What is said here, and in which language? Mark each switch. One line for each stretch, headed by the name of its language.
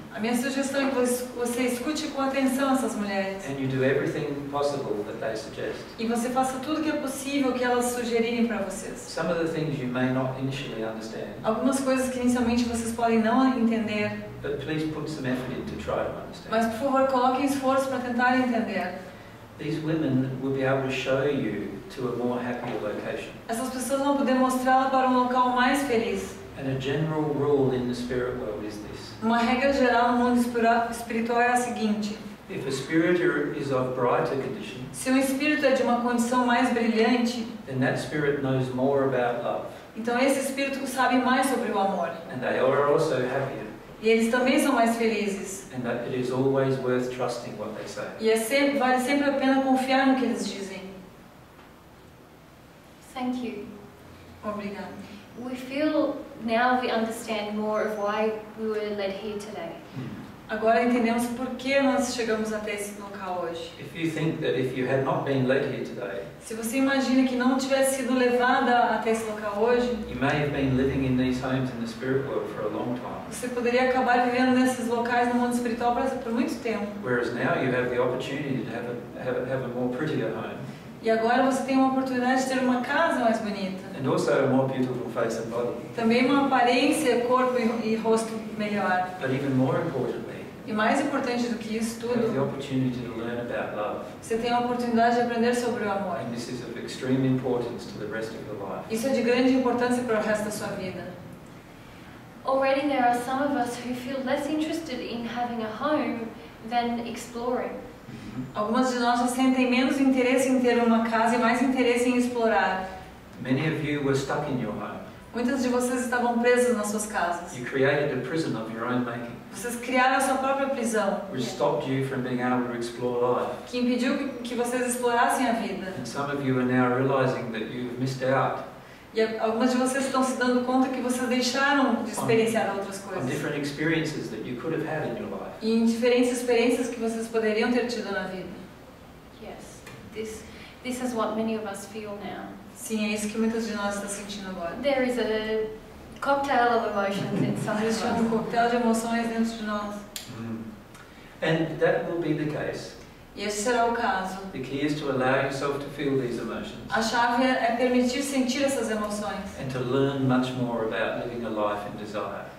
Portuguese: A minha sugestão é que você escute com atenção essas mulheres.
English: And you do everything possible that they suggest.
Portuguese: E você faça tudo que é possível que elas sugerirem para vocês.
English: Some of the things you may not initially understand.
Portuguese: Algumas coisas que inicialmente vocês podem não entender.
English: But please put some effort in to try to understand.
Portuguese: Mas por favor, coloquem esforço para tentar entender.
English: These women will be able to show you to a more happier location.
Portuguese: Essas pessoas vão poder mostrá-la para local mais feliz.
English: And a general rule in the spirit world is this.
Portuguese: Uma regra geral no mundo espiritual é a seguinte.
English: If a spirit is of brighter condition,
Portuguese: se um espírito é de uma condição mais brilhante,
English: then that spirit knows more about love.
Portuguese: Então esse espírito sabe mais sobre o amor.
English: And they are also happier.
Portuguese: E eles também são mais felizes.
English: And that it is always worth trusting what they say.
Portuguese: E vale sempre a pena confiar no que eles dizem.
English: Thank you.
Portuguese: Obrigada.
English: We feel now we understand more of why we were led here today.
Portuguese: Agora entendemos por que nós chegamos até esse local hoje.
English: If you think that if you had not been led here today,
Portuguese: se você imagina que não tivesse sido levada até esse local hoje,
English: you may have been living in these homes in the spirit world for a long time.
Portuguese: Você poderia acabar vivendo nesses locais no mundo espiritual por muito tempo.
English: Whereas now you have the opportunity to have a more prettier home.
Portuguese: E agora você tem uma oportunidade de ter uma casa mais bonita.
English: And also a more beautiful face and body.
Portuguese: Também uma aparência, corpo e rosto melhor.
English: But even more importantly,
Portuguese: e mais importante do que isso tudo,
English: the opportunity to learn about love.
Portuguese: Você tem a oportunidade de aprender sobre o amor.
English: And this is of extreme importance to the rest of your life.
Portuguese: Isso é de grande importância para o resto da sua vida.
English: Already there are some of us who feel less interested in having a home than exploring.
Portuguese: Algumas de nós já sentem menos interesse em ter uma casa e mais interesse em explorar.
English: Many of you were stuck in your home.
Portuguese: Muitas de vocês estavam presas nas suas casas.
English: You created a prison of your own making.
Portuguese: Vocês criaram a sua própria prisão.
English: Which stopped you from being able to explore life.
Portuguese: Que impediu que vocês explorassem a vida.
English: And some of you are now realizing that you've missed out.
Portuguese: E algumas de vocês estão se dando conta que vocês deixaram de experienciar outras coisas.
English: On different experiences that you could have had in your life.
Portuguese: E em diferentes experiências que vocês poderiam ter tido na vida.
English: Yes, this is what many of us feel now.
Portuguese: Sim, é isso que muitas de nós estão sentindo agora.
English: There is a cocktail of emotions inside of us.
Portuguese: Um cocktail de emoções dentro de nós. Mm.
English: And that will be the case.
Portuguese: E esse será o caso.
English: The key is to allow yourself to feel these emotions.
Portuguese: A chave é permitir sentir essas emoções.
English: And to learn much more about living a life in desire.